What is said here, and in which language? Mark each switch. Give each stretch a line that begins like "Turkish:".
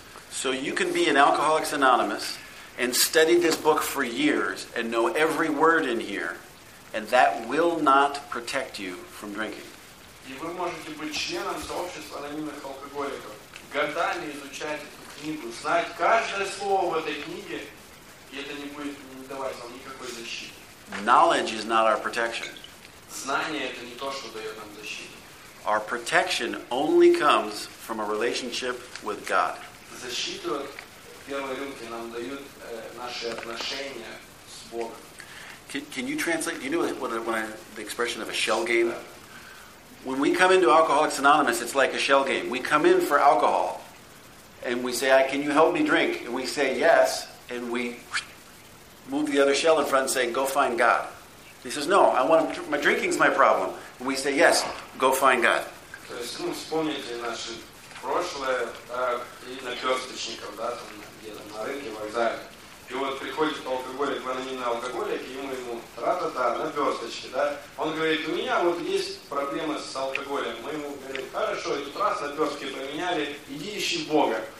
English: So you can be an Alcoholics Anonymous and study this book for years and know every word in here, and that will not protect you from drinking.
Russian: И вы можете быть членом сообщества анонимных алкоголиков, годами изучать эту книгу, знать каждое слово в этой книге, и это не будет не давать вам никакой защиты.
English: Knowledge is not our protection.
Russian: Знание это не то, что дает нам защиту.
English: Our protection only comes from a relationship with God.
Russian: Защиту от первой рюмки нам дают наши отношения с Богом.
English: Can you translate? Do you know the expression of a shell game? When we come into Alcoholics Anonymous, it's like a shell game. We come in for alcohol, and we say, "Can you help me drink?" And we say yes, and we move the other shell in front and say, "Go find God." He says, "No, I want my drinking's my problem." We say yes. Go find God.
Russian: То есть, ну, вспомните наше прошлое, да, и наперсточников, да, там где-то на рынке, вокзале. И вот приходит алкоголик, анонимный алкоголик, и мы ему тра-та-та, наперсточки, да. Он говорит, у меня вот есть проблемы с алкоголем. Мы ему говорим, хорошо, и тут раз наперстки поменяли, иди ищи Бога.